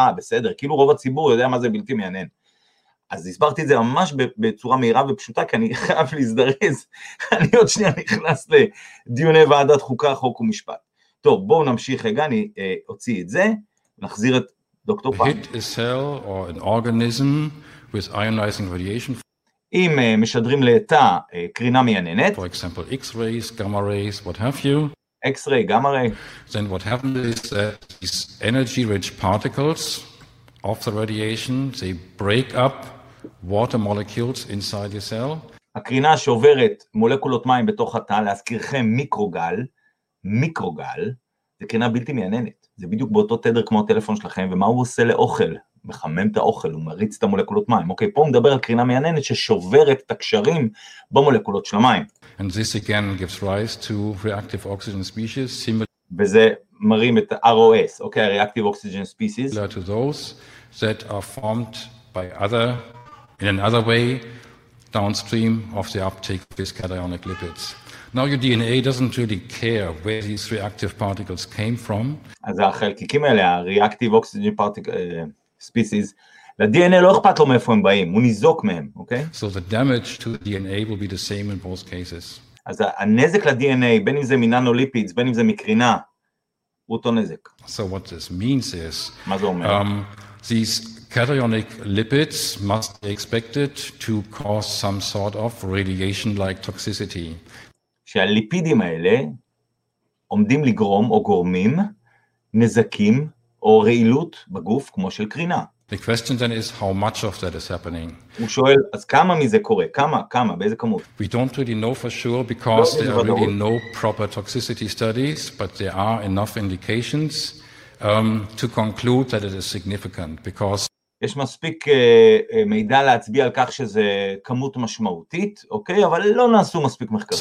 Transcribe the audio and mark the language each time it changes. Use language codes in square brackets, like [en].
[he] בסדר, כאילו רוב הציבור יודע מה זה בלתי מיינן. אז הסברתי את זה ממש בצורה מהירה ופשוטה, כי אני חייב להזדרז, אני עוד שנייה נכנס לדיוני ועדת חוקה, חוק ומשפט. טוב, בואו נמשיך רגע, אני אוציא את זה, נחזיר את דוקטור פעם. [en] Hit a cell or an organism with ionizing radiation. [he] אם משדרים לתא קרינה מייננת, [en] for example x-rays, gamma rays, what have you, x-ray, gamma ray, then what happens is that these energy rich particles of the radiation, they break up water molecules inside your cell. [he] הקרינה שעוברת מולקולות מים בתוך התא, להזכירכם, מיקרוגל זה קרינה בלתי מייננת, זה בדיוק באותו תדר כמו הטלפון שלכם, ומה הוא עושה לאוכל? מחמם את האוכל, הוא מריץ את המולקולות מים. אוקיי, פה הוא מדבר על קרינה מייננת ששוברת את הקשרים במולקולות של המים. [en] And this again gives rise to reactive oxygen species. [he] וזה מרים את ROS, אוקיי, [en] reactive oxygen species. Similar to those that are formed by other, in another way, downstream of the uptake of these cationic lipids. Now your DNA doesn't really care where these reactive particles came from. [he] אז החלקיקים האלה, [en] reactive oxygen particles, species, [he] ל-DNA לא אכפת לו מאיפה הם באים, הוא ניזוק מהם, אוקיי? [en] So the damage to the DNA will be the same in both cases. [he] אז הנזק ל-DNA, בין אם זה מננוליפידס, בין אם זה מקרינה, הוא אותו נזק. [en] So what this means is, [he] מה זה אומר? [en] These cationic lipids must be expected to cause some sort of radiation-like toxicity. [he] שהליפידים האלה עומדים לגרום או גורמים נזקים או רעילות בגוף כמו של קרינה. [en] The question then is how much of that is happening. [he] הוא שואל, אז כמה מזה קורה? כמה, באיזה כמות? [en] We don't really know for sure because there are really no proper toxicity studies, but there are enough indications to conclude that it is significant because [he] יש מספיק מידע להצביע על כך שזה כמות משמעותית, אוקיי? אבל לא נעשו מספיק מחקרים.